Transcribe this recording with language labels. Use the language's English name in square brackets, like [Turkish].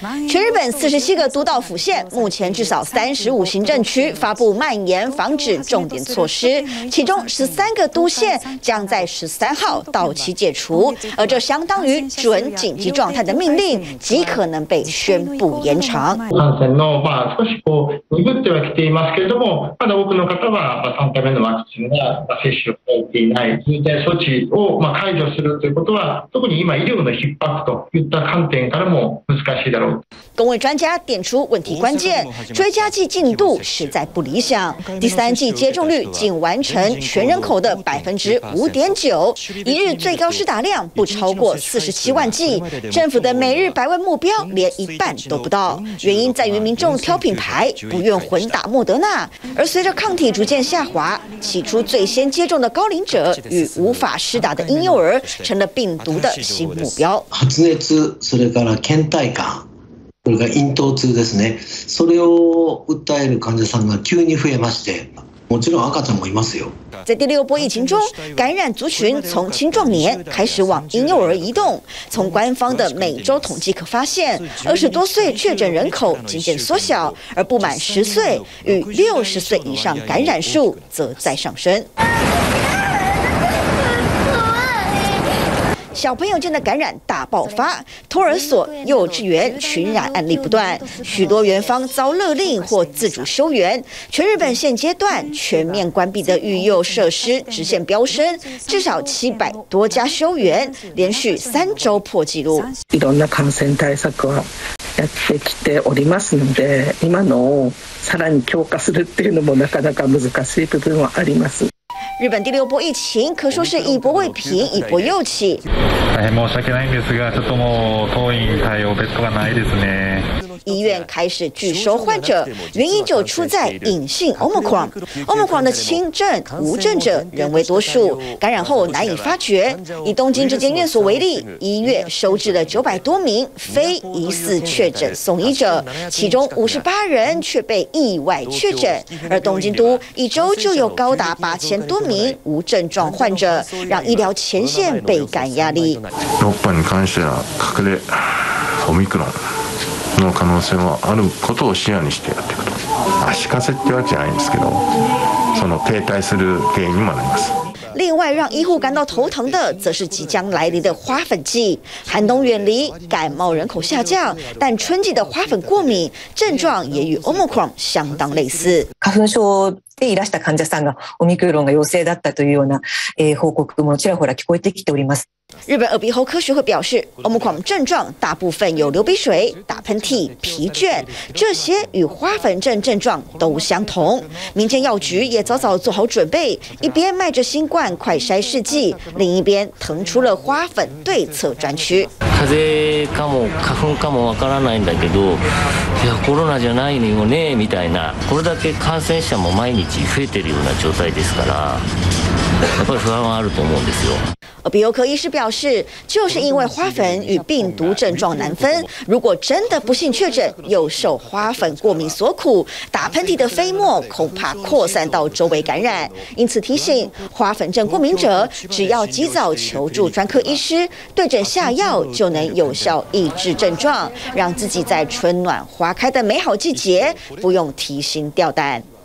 [Chinese] 全日本47个都道府县目前至少35行政区发布蔓延防止重点措施，其中13个都县将在13号到期解除，而这相当于准紧急状态的命令极可能被宣布延长。 [Japanese] 感染の少し鈍ってはきていますけれども、まだ多くの方は3回目のワクチンが接種されていない、重点措置を解除するということは特に今医療の逼迫といった観点からも難しい。 [Chinese] 公卫专家点出问题关键，追加剂进度实在不理想，第三剂接种率仅完成全人口的5.9%，一日最高施打量不超过47万剂，政府的每日百万目标连一半都不到，原因在于民众挑品牌，不愿混打莫德纳。而随着抗体逐渐下滑，起初最先接种的高龄者与无法施打的婴幼儿成了病毒的新目标。 [Japanese] 発熱、それから倦怠感、これが咽頭痛ですね、それを訴える患者さんが急に増えまして、もちろん赤ちゃんもいますよ。 [Chinese] 在第六波疫情中，感染族群从青壮年开始往婴幼儿移动。从官方的每周统计可发现，20多岁确诊人口渐渐缩小，而不满10岁与60岁以上感染数则在上升。小朋友间的感染大爆发，托儿所、幼稚园群染案例不断，许多园方遭勒令或自主休园。全日本现阶段全面关闭的育幼设施直线飙升，至少700多家休园，连续3周破纪录。 [Japanese] いろんな感染対策はやってきておりますので、今のをさらに強化するっていうのもなかなか難しい部分はあります。 [Chinese] 日本第六波疫情可说是一波未平一波又起。 [Japanese] 大変申し訳ないんですが、ちょっともう当院対応ベッドがないですね。 [Chinese] 医院开始拒收患者，原因就出在隐性 Omicron。 Omicron 的轻症无症者仍为多数，感染后难以发觉。以东京这间院所为例，一月收治了900多名非疑似确诊送医者，其中58人却被意外确诊。而东京都一周就有高达8000多名无症状患者，让医疗前线倍感压力。 [Japanese] 日本に関しては隠れオミクロンの可能性もあることを視野にしてやっていくと、足かせってわけじゃないんですけど、その停滞する原因にもなります。 [Chinese] 另外让医护感到头疼的则是即将来临的花粉季，寒冬远离，感冒人口下降，但春季的花粉过敏症状也与 Omicron 相当类似。 [Japanese] 花粉症でいらした患者さんがオミクロンが陽性だったというような報告もちらほら聞こえてきております。 [Chinese] 日本耳鼻喉科学会表示， Omicron 症状大部分有流鼻水、打喷嚏、疲倦，这些与花粉症症状都相同。民间药局也早早做好准备，一边卖着新冠快筛试剂，另一边腾出了花粉对策专区。 [Japanese] 風邪かも花粉かもわからないんだけど、いやコロナじゃないよねみたいな、これだけ感染者も毎日増えてるような状態ですから、やっぱり不安はあると思うんですよ。 [Chinese] 耳鼻喉科医师表示，就是因为花粉与病毒症状难分，如果真的不幸确诊又受花粉过敏所苦，打喷嚏的飞沫恐怕扩散到周围感染，因此提醒花粉症过敏者，只要及早求助专科医师对症下药，就能有效抑制症状，让自己在春暖花开的美好季节不用提心吊胆。